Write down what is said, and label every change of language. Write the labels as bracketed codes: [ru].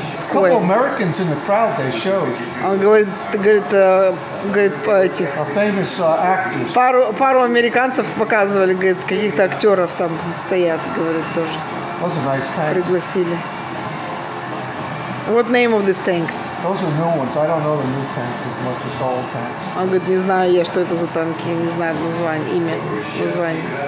[en] A couple Americans in the crowd they showed. [ru] Он говорит, говорит по этих. [en] A famous actors. [ru] Пару американцев показывали, говорит, каких-то актеров там стоят, говорит тоже. [en] Those are nice tanks. [ru] Пригласили. [en] What name of these tanks? Those are new ones. I don't know the new tanks as much as the old tanks. [ru] Он говорит, не знаю я, что это за танки, не знаю название, имя, название.